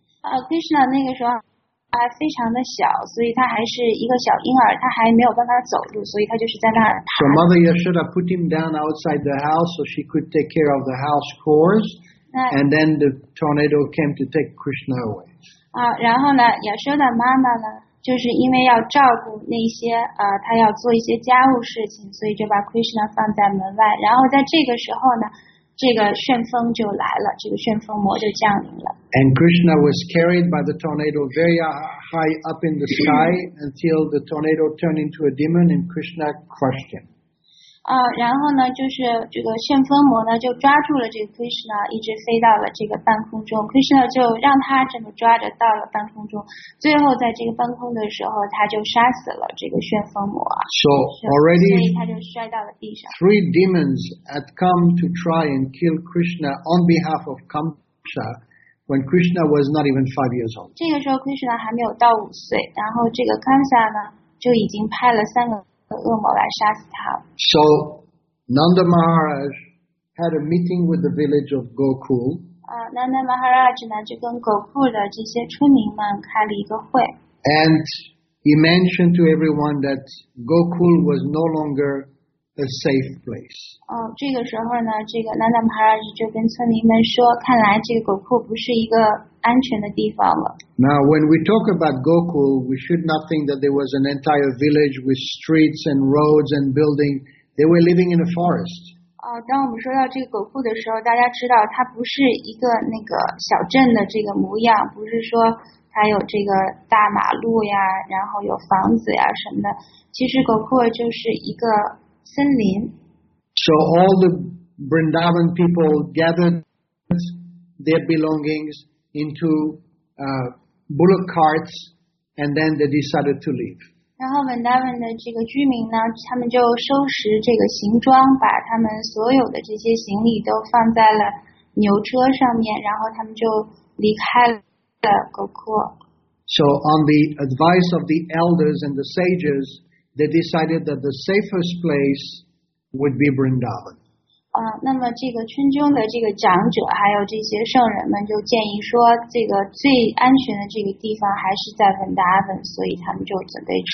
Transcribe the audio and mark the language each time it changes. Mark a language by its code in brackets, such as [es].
[zh] Krishna 那个时候还非常的小，所以他还是一个小婴儿，他还没有办法走路，所以他就是在那儿爬。 [en] So Mother Yashoda put him down outside the house so she could take care of the house chores. And then the tornado came to take Krishna away. [zh] 然后呢，亚修的妈妈呢，就是因为要照顾那些她要做一些家务事情，所以就把 Krishna 放在门外。然后在这个时候呢，这个旋风就来了，这个旋风魔就降临了。 [en] And Krishna was carried by the tornado very high up in the sky until the tornado turned into a demon and Krishna crushed him. [zh] 然后呢，就是这个旋风魔呢，就抓住了这个 Krishna， 一直飞到了这个半空中。 Krishna 就让他这么抓着到了半空中，最后在这个半空的时候，他就杀死了这个旋风魔。 [en] So already, [zh] 所以他就摔到了地上。 [en] Three demons had come to try and kill Krishna on behalf of Kamsa when Krishna was not even 5 years old. [zh] 这个时候 Krishna 还没有到五岁，然后这个 Kamsa 呢就已经派了三个。恶魔来杀死他。 [en] So Nanda Maharaj had a meeting with the village of Gokul. [zh] Nanda Maharaj 呢就跟狗库的这些村民们开了一个会。 [en] And he mentioned to everyone that Gokul was no longer a safe place. [zh] 这个时候呢，这个 Nanda Maharaj 就跟村民们说，看来这个狗库不是一个安全的地方了。 [en] Now, when we talk about Gokul, we should not think that there was an entire village with streets and roads and building. They were living in a forest. [zh] 当我们说到这个狗库的时候，大家知道它不是一个那个小镇的这个模样，不是说它有这个大马路呀，然后有房子呀什么的。其实狗库就是一个森林。 [en] So all the Vrindavan people gathered their belongings into bullock carts, and then they decided to leave. [zh] 然后 Vrindavan 的这个居民呢，他们就收拾这个行装，把他们所有的这些行李都放在了牛车上面，然后他们就离开了Gokul. [en] So on the advice of the elders and the sages, they decided that the safest place would be Vrindavan. [zh] 那么这个村中的这个长者还有这些圣人们就建议说，这个最安全的这个地方还是在 Vrindavan， 所以他们就准备去。